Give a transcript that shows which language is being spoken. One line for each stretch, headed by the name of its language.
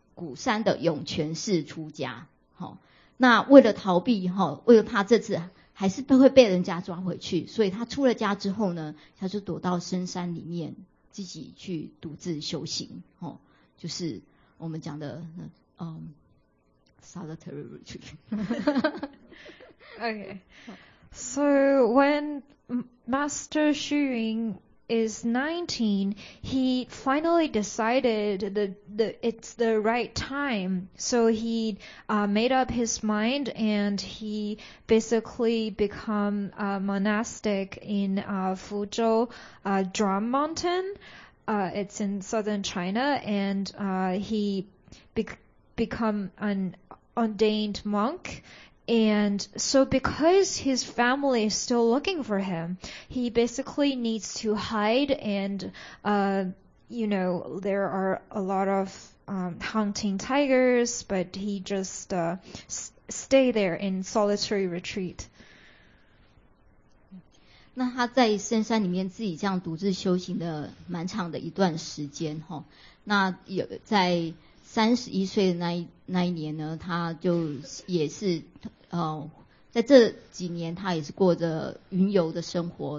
Chinese: 古山的涌泉寺出家，那为了逃避，为了怕这次还是会被人家抓回去，所以他出了家之后呢，他就躲到深山里面自己去独自修行，就是我们讲的
English: solitary retreat. OK, so when Master Xu Yun is 19, he finally decided it's the right time. So he made up his mind and he basically become a monastic in Fuzhou Drum Mountain. It's in southern China, and he become an ordained monk. And so because his family is still looking for him, he basically needs to hide, and you know, there are a lot of hunting tigers, but he just stay there in solitary retreat.
Chinese: 那他在深山里面自己这样独自修行的蛮长的一段时间，那有在31岁的那一年呢，他就也是在这几年他也是过着云游的生活。